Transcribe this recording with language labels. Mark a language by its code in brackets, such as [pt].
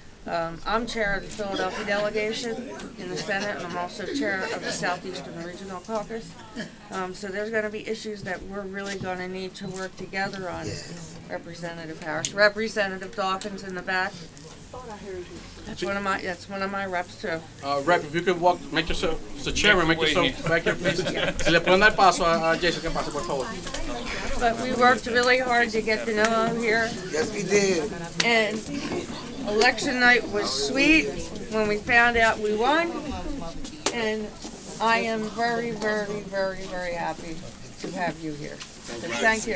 [en] I'm chair of the Philadelphia delegation in the Senate, and I'm also chair of the Southeastern Regional Caucus. So there's going to be issues that we're really going to need to work together on. Yes. Representative Harris. Representative Dawkins in the back. That's one of my reps too. Rep, if you could walk, make yourself the chairman, make yourself back here, please. [es] Se le pueden dar paso a Jason, que pase por favor. [en] But we worked really hard to get Danilo here. Yes, we did. And election night was sweet when we found out we won. And I am very, very, very, very happy to have you here. Thank you.